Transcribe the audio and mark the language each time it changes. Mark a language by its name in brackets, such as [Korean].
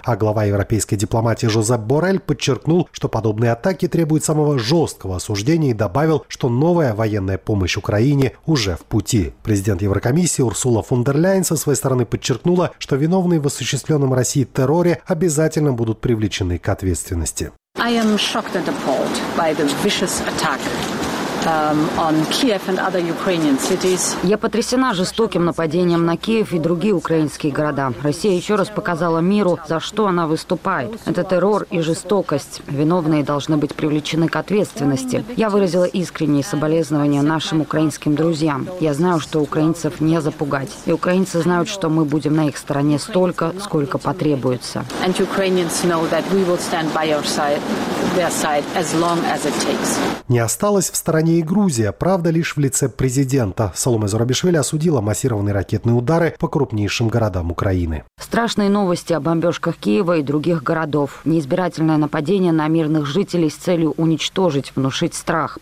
[Russian] А глава европейской дипломатии Жозеп Боррель подчеркнул, что подобные атаки требуют самого жесткого осуждения и добавил, что новая военная помощь Украине уже в пути. Президент Еврокомиссии Урсула фон дер Ляйен со своей стороны подчеркнула, что виновные в осуществленном России терроре обязательно будут привлечены к ответственности. [English] I am shocked and appalled by the vicious attack on Kiev and other Ukrainian cities. [Russian] Я потрясена жестоким нападением на Киев и другие украинские города. Россия еще раз показала миру, за что она выступает. Это террор и жестокость. Виновные должны быть привлечены к ответственности. Я выразила искренние соболезнования нашим украинским друзьям. Я знаю, что украинцев не запугать. И украинцы знают, что мы будем на их стороне столько, сколько потребуется. [English] And Ukrainians know that we will stand by your side, their side, as long as it takes. [Russian] Не осталось в стороне и Грузия, правда, лишь в лице президента. Соломе Зурабишвили осудила массированные ракетные удары по крупнейшим городам Украины. Страшные новости о бомбежках Киева и других городов. Неизбирательное нападение на мирных жителей с целью уничтожить, внушить страх.